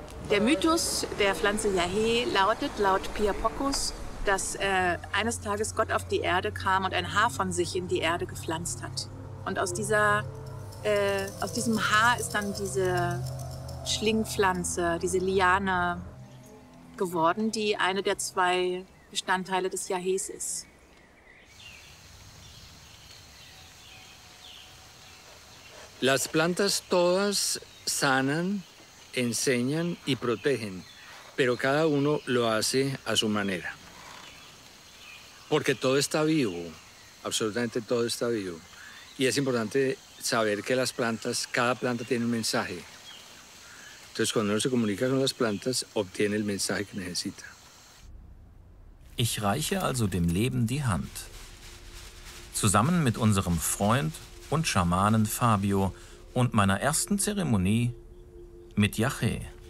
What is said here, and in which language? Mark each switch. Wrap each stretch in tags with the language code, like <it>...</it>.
<de>Der Mythos der Pflanze Yaché lautet laut Pia Pocos, dass eines Tages Gott auf die Erde kam und ein Haar von sich in die Erde gepflanzt hat. Und aus diesem Haar ist dann diese Schlingpflanze, diese Liane geworden, die eine der zwei Bestandteile des Yahés ist.</de> <es>Las plantas todas sanan, enseñan y protegen, pero cada uno lo hace a su manera. Porque todo está vivo, absolutamente todo está vivo. Y es importante saber que las plantas, cada planta tiene un mensaje. Entonces, cuando uno se comunica con las plantas, obtiene el mensaje que necesita.</es> <de>Ich reiche also dem Leben die Hand. Zusammen mit unserem Freund und Schamanen Fabio und meiner ersten Zeremonie mit Yaché.</de>